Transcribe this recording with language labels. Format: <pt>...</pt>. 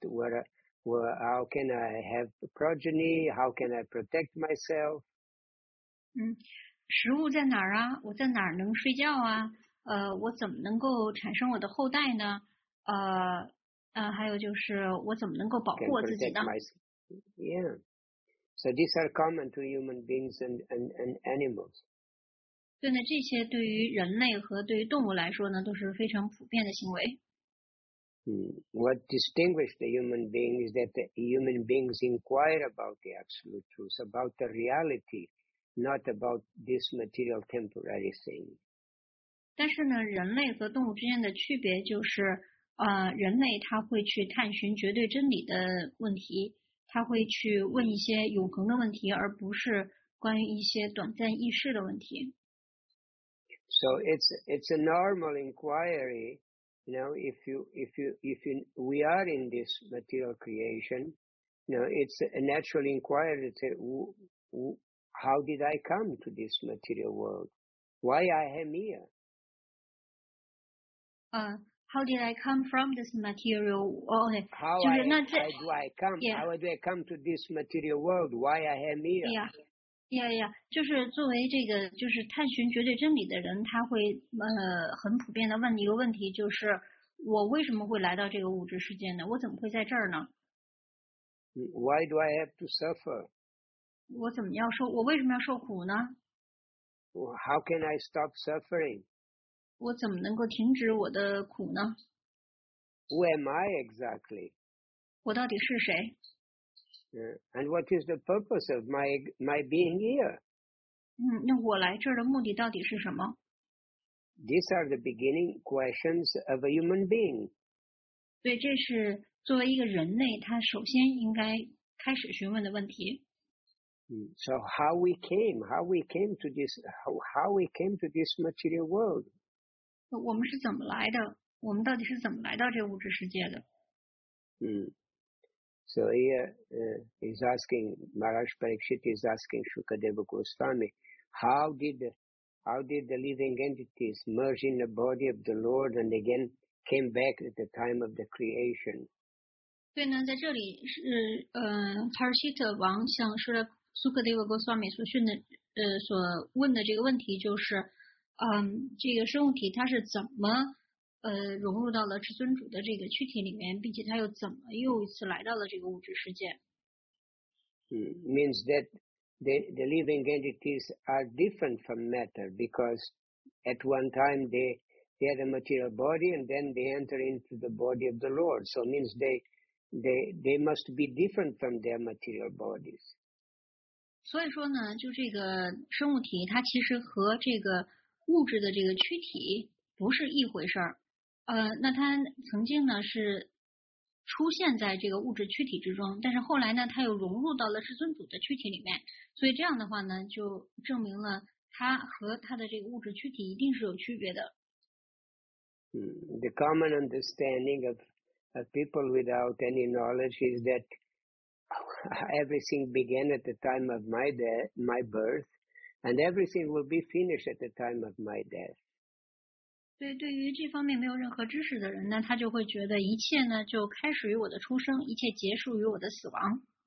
<en>How can I have progeny? How can I protect myself?</en> <zh>食物在哪儿啊？我在哪儿能睡觉啊？我怎么能够产生我的后代呢？还有就是我怎么能够保护我自己呢？</zh> <en>So these are common to human beings and animals.</en> <zh>对呢，这些对于人类和对于动物来说呢，都是非常普遍的行为。</zh> <en>What distinguishes the human being is that the human beings inquire about the absolute truth, about the reality, not about this material temporary thing.</en> <zh>但是呢，人类和动物之间的区别就是，人类他会去探寻绝对真理的问题。他会去问一些永恒的问题，而不是关于一些短暂易逝的问题。</zh> <en>So it's a normal inquiry, you know. If you we are in this material creation, you know, it's a natural inquiry to say, how did I come to this material world? Why I am here? How did I come from this material? How do I come to this material world? Why I am here? Yeah.</en> <zh>就是作为这个就是探寻绝对真理的人，他会很普遍的问一个问题，就是我为什么会来到这个物质世界呢？我怎么会在这儿呢</zh> <en>？Why do I have to suffer?</en> <zh>我怎么要受？我为什么要受苦呢</zh> <en>？How can I stop suffering?</en> <zh>我怎么能够停止我的苦呢</zh> <en>？Who am I exactly？</en> <zh>我到底是谁</zh> <en>？And what is the purpose of my being here？</en> <zh>那我来这儿的目的到底是什么</zh> <en>？These are the beginning questions of a human being。</en> <zh>对，这是作为一个人类，他首先应该开始询问的问题。</zh> <en>So how we came to this material world？</en> <zh>我们是怎么来的？我们到底是怎么来到这个物质世界的？</zh> <en>So here is asking Maharaj Parikshit is asking Shukadeva Goswami, how did the living entities merge in the body of the Lord and again came back at the time of the creation?</en> <zh>对呢，在这里是Parikshit 王向Shukadeva Goswami 所问的这个问题就是。这个生物体它是怎么融入到了至尊主的这个躯体里面，并且它又怎么又一次来到了这个物质世界？</zh> <en>Means that the living entities are different from matter because at one time they had a material body and then they enter into the body of the Lord. So means they must be different from their material bodies.</en> <zh>所以说呢，就这个生物体它其实和这个物质的这个躯体不是一回事儿，那它曾经呢是出现在这个物质躯体之中，但是后来呢，它又融入到了至尊主的躯体里面，所以这样的话呢，就证明了它和它的这个物质躯体一定是有区别的。</zh> <en>The common understanding of people without any knowledge is that everything began at the time of my birth. And everything will be finished at the time of my death.</en> <zh>对，对于这方面没有任何知识的人呢，他就会觉得一切呢就开始于我的出生，一切结束于我的死亡。</zh>